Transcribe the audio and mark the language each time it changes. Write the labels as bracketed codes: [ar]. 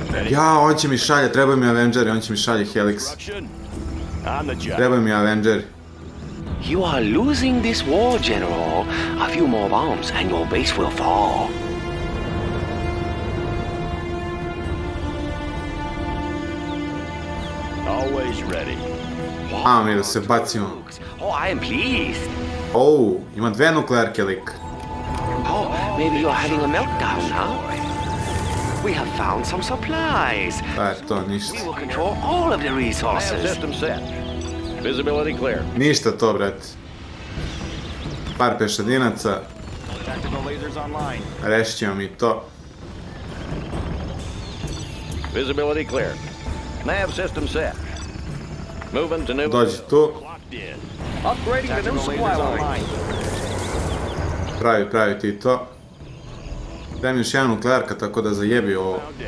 [hr] Ja, on će mi šalje, trebaju mi Avengeri, on će mi šalje Helix. Trebaju mi Avengeri. [en] You are losing this war, General. A few more bombs and your base will fall. Always ready. [hr] Ajmo mi da se bacimo. [en] Oh, I am pleased. [hr] Oh, ima 2 nuklearke, lik. [en] Oh, maybe you are having a meltdown, huh? We have found some supplies. [hr] To, ništa. [en] We will control all of the resources. Visibility clear. [hr] Ništa to, brate. Par pešadinaca. Rešit ćemo mi to. [en] Visibility clear. Nav system set. Moving to new. [hr] Dođi tu. [en] Upgrading the new supply line. [hr] Pravi ti to. Dajem još jedan nuklearka, tako da zajebi ovo.